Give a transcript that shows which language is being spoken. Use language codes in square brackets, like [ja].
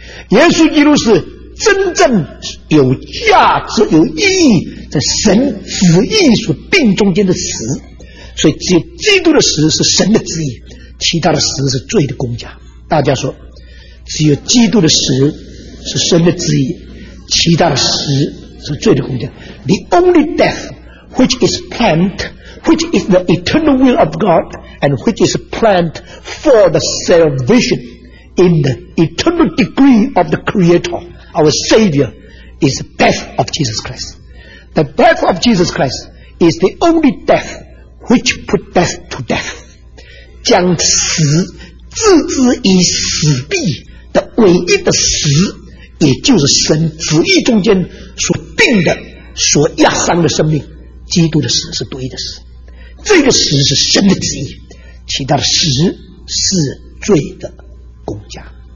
[zh] 耶稣基督是真正有价值有意义在神旨意所定中间的死，所以只有基督的死是神的旨意，其他的死是罪的工价。大家说，只有基督的死是神的旨意，其他的死是罪的工价。 [en] The only death which is planned, which is the eternal will of God, and which is planned for the salvation in the eternal decree of the Creator, our Savior, is the death of Jesus Christ. The death of Jesus Christ is the only death which put death to death. [zh] 将死置之于死地的唯一的死，也就是神旨意中间所定的所压伤的生命，基督的死是独一的死。这个死是神的旨意，其他的死是罪的公家。